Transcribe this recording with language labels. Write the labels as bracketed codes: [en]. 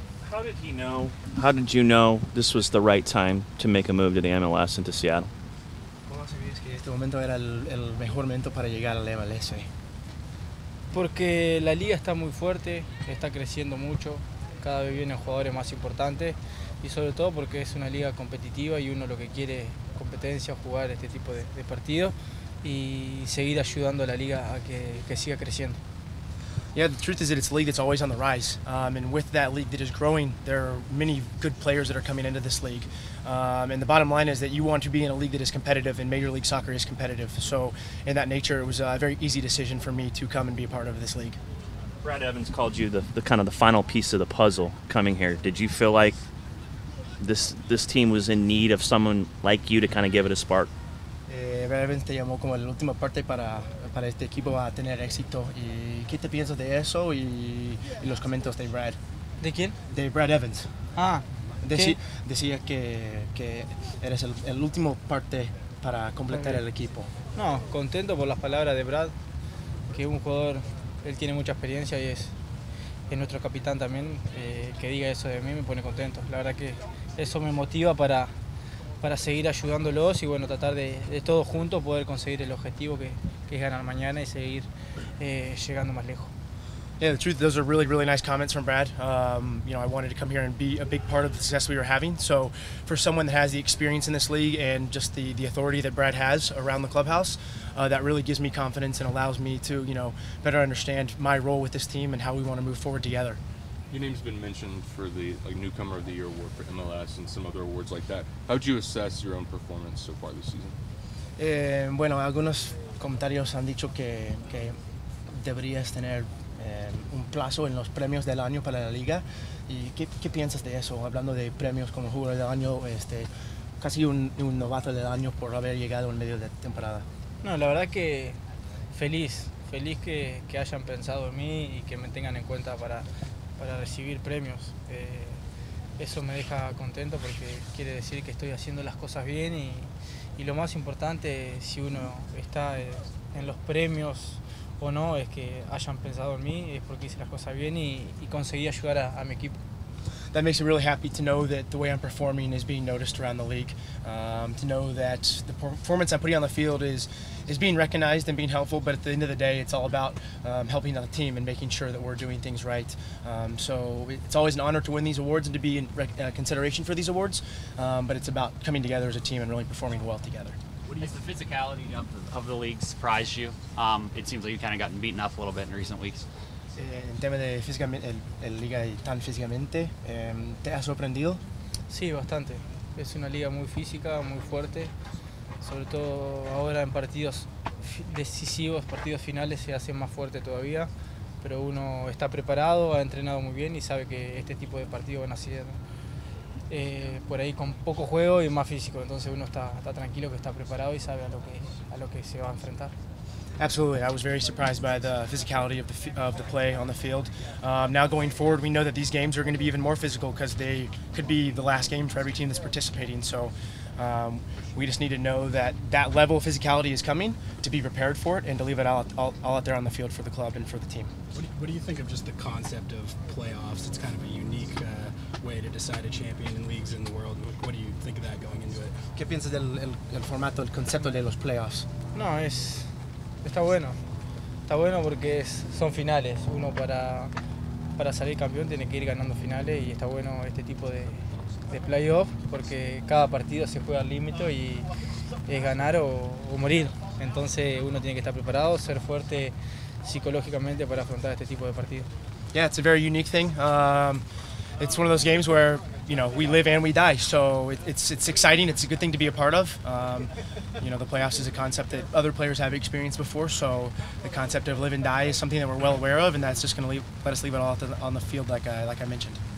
[en] How did you know this was the right time to make a move to the MLS and to Seattle? [es] Este momento era el mejor momento para llegar al MLS. Porque la liga está muy fuerte, está creciendo mucho, cada vez vienen jugadores más importantes y sobre todo porque es una liga competitiva y uno lo que quiere es competencia, jugar este tipo de partidos y seguir ayudando a la liga a que siga creciendo. [en] Yeah, the truth is that it's a league that's always on the rise. And with that league that is growing, there are many good players that are coming into this league. And the bottom line is that you want to be in a league that is competitive, and Major League Soccer is competitive. So in that nature, it was a very easy decision for me to come and be a part of this league. Brad Evans called you the kind of the final piece of the puzzle coming here. Did you feel like this team was in need of someone like you to kind of give it a spark? [es] Brad Evans te llamó como la última parte para este equipo a tener éxito. ¿Y qué te piensas de eso y los comentarios de Brad? ¿De quién? De Brad Evans. Ah, Decía que eres el último parte para completar el equipo. No, contento por las palabras de Brad, que es un jugador, él tiene mucha experiencia y es nuestro capitán también. Que diga eso de mí me pone contento. La verdad que eso me motiva para seguir ayudándolos y bueno, tratar de todos juntos poder conseguir el objetivo que es ganar mañana y seguir llegando más lejos. [en] Yeah, the truth, those are really, really nice comments from Brad. You know, I wanted to come here and be a big part of the success we were having. So for someone that has the experience in this league and just the authority that Brad has around the clubhouse, that really gives me confidence and allows me to, you know, better understand my role with this team and how we want to move forward together. Your name's been mentioned for the Newcomer of the Year award for MLS and some other awards like that. How would you assess your own performance so far this season? [es] Bueno, algunos comentarios han dicho que deberías tener un plazo en los premios del año para la liga. ¿Y qué piensas de eso? Hablando de premios como jugador del año, casi un novato del año por haber llegado en medio de temporada. No, la verdad que feliz que hayan pensado en mí y que me tengan en cuenta para recibir premios. Eso me deja contento porque quiere decir que estoy haciendo las cosas bien y lo más importante, si uno está en los premios o no, es que hayan pensado en mí, es porque hice las cosas bien y conseguí ayudar a mi equipo. [en] that makes me really happy to know that the way I'm performing is being noticed around the league, to know that the performance I'm putting on the field is being recognized and being helpful, but at the end of the day, it's all about helping out the team and making sure that we're doing things right. So it's always an honor to win these awards and to be in consideration for these awards, but it's about coming together as a team and really performing well together. Has the physicality of the league surprised you? It seems like you've kind of gotten beaten up a little bit in recent weeks. [es] El tema de físicamente, el liga tan físicamente, ¿te ha sorprendido? Sí, bastante. Es una liga muy física, muy fuerte. Sobre todo ahora en partidos decisivos, partidos finales, se hace más fuerte todavía. Pero uno está preparado, ha entrenado muy bien y sabe que este tipo de partidos van a ser por ahí con poco juego y más físico. Entonces uno está tranquilo, que está preparado y sabe a lo que se va a enfrentar. [en] Absolutely, I was very surprised by the physicality of the play on the field. Now going forward, we know that these games are going to be even more physical because they could be the last game for every team that's participating. So we just need to know that level of physicality is coming, to be prepared for it, and to leave it all out there on the field for the club and for the team. What do you think of just the concept of playoffs? It's kind of a unique way to decide a champion in leagues in the world. What do you think of that going into it? [es] ¿Qué piensas del formato, el concepto de los playoffs? No, es... Está bueno porque son finales. Uno para salir campeón tiene que ir ganando finales y está bueno este tipo de playoff porque cada partido se juega al límite y es ganar o morir. Entonces uno tiene que estar preparado, ser fuerte psicológicamente para afrontar este tipo de partidos. [en] Yeah, it's a very unique thing. It's one of those games where, you know, we live and we die. So it's exciting. It's a good thing to be a part of. You know, the playoffs is a concept that other players have experienced before. So the concept of live and die is something that we're well aware of, and that's just going to let us leave it all on the field, like I mentioned.